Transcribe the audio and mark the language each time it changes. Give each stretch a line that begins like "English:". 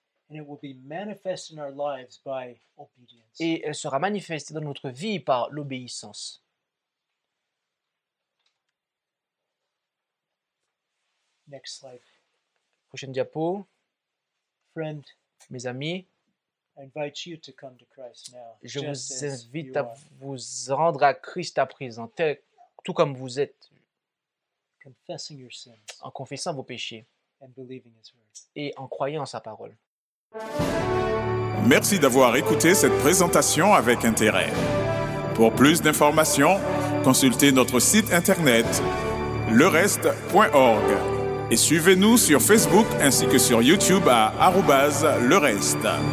English: and it will be manifest in our lives by obedience.
French: Et elle sera manifestée dans notre vie par l'obéissance.
English: Next slide.
French: Prochaine diapo.
English: Friend,
French: mes amis,
English: I invite you to come to Christ now.
French: Je vous invite à vous rendre à Christ à présent, tout comme vous êtes.
English: Confessing your sins.
French: En confessant vos péchés.
English: And believing his word.
French: Et en croyant en sa parole. Merci d'avoir écouté cette présentation avec intérêt. Pour plus d'informations, consultez notre site internet lereste.org et suivez-nous sur Facebook ainsi que sur YouTube à @lereste.